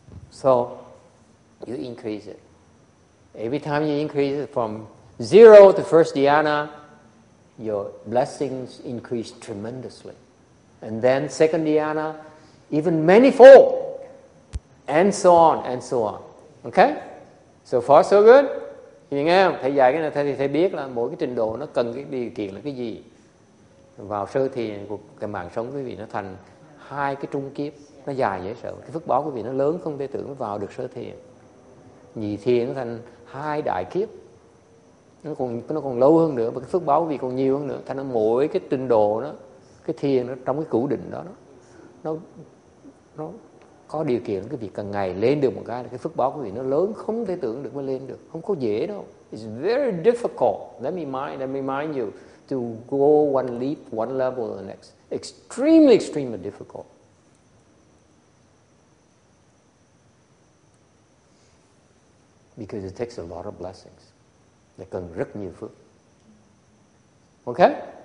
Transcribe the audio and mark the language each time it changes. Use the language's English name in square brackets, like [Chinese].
[English] So, you increase it. Every time you increase it from zero to first dhyana, your blessings increase tremendously. And then second dhyana, even manifold, and so on, and so on. Okay? So far, so good? [Vietnamese] Nghe không? Thầy dạy cái này, thầy biết là mỗi cái trình độ nó cần cái điều kiện là cái gì. Vào sơ thì cái mạng sống quý vị nó thành hai cái trung kiếp, nó dài dễ sợ. Cái phước báo quý vị nó lớn không thể tưởng vào được sơ thiền. Nhị thiền thành hai đại kiếp, nó còn lâu hơn nữa, và cái phước báo vì còn nhiều hơn nữa, thành mỗi cái trình độ đó, cái thiền đó, trong cái cửu định đó, nó có điều kiện cái việc càng ngày lên được một cái phước báo của vị nó lớn không thể tưởng được mới lên được, không có dễ đâu. [English] It's very difficult. Let me remind you to go one leap, one level to the next. Extremely, extremely difficult. Because it takes a lot of blessings. [Vietnamese] Nó cần rất nhiều phước. [English] Okay?